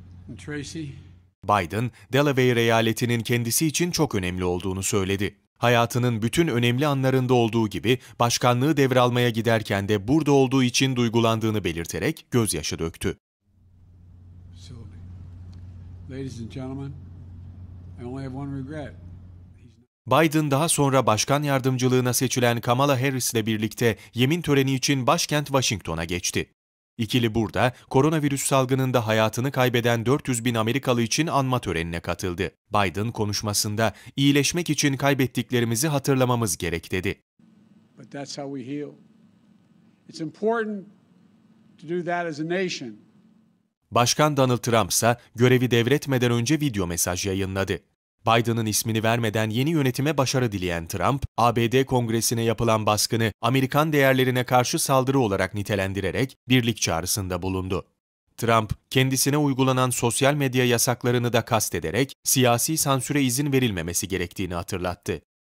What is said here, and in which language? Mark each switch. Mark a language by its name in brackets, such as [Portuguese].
[English] And Tracy. [Turkish] Biden, Delaware eyaletinin kendisi için çok önemli olduğunu söyledi. Hayatının bütün önemli anlarında olduğu gibi, başkanlığı devralmaya giderken de burada olduğu için duygulandığını belirterek gözyaşı döktü. [English] So, ladies and gentlemen, I only have one regret. [Turkish] Biden daha sonra başkan yardımcılığına seçilen Kamala Harris'le birlikte yemin töreni için başkent Washington'a geçti. İkili burada koronavirüs salgınında hayatını kaybeden 400 bin Amerikalı için anma törenine katıldı. Biden konuşmasında iyileşmek için kaybettiklerimizi hatırlamamız gerek dedi. [English] But that's how we heal. It's important to do that as a nation. [Turkish] Başkan Donald Trump ise görevi devretmeden önce video mesaj yayınladı. Biden'ın ismini vermeden yeni yönetime başarı dileyen Trump, ABD Kongresi'ne yapılan baskını Amerikan değerlerine karşı saldırı olarak nitelendirerek birlik çağrısında bulundu. Trump, kendisine uygulanan sosyal medya yasaklarını da kastederek siyasi sansüre izin verilmemesi gerektiğini hatırlattı.